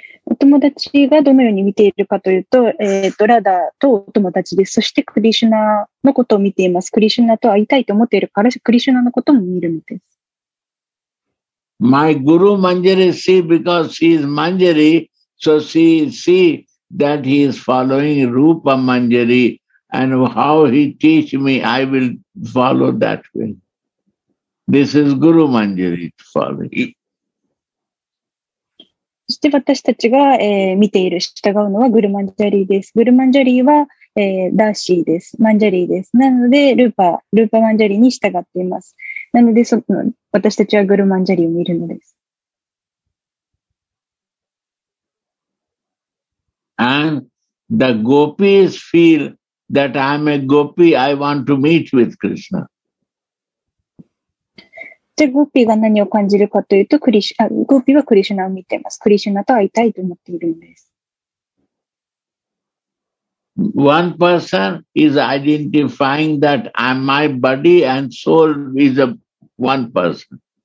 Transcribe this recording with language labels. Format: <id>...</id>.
<ja>お友達がどのように見ているかというと、ラダとお友達です。そしてクリシュナのことを見ています。クリシュナと会いたいと思っているから、クリシュナのことも見るのです。</ja> <en>My Guru Manjari see because she is Manjari, so she see that he is following Rupa Manjari and how he teach me, I will follow that way. This is Guru Manjari following.</en> <ja>そして私たちが、見ている、従うのはグルマンジャリーです。グルマンジャリーは、ダーシーです。マンジャリーです。なので、ルーパーマンジャリーに従っています。なので、私たちはグルマンジャリーを見るのです。</ja> <en>And the gopis feel that I'm a gopi, I want to meet with Krishna.</en> <ja>じゃあゴピーが何を感じるかというと、ゴピーはクリシュナを見ています。クリシュナと会いたいと思っているんです。</ja> <en>One person is identifying that my body and soul is a one person.</en>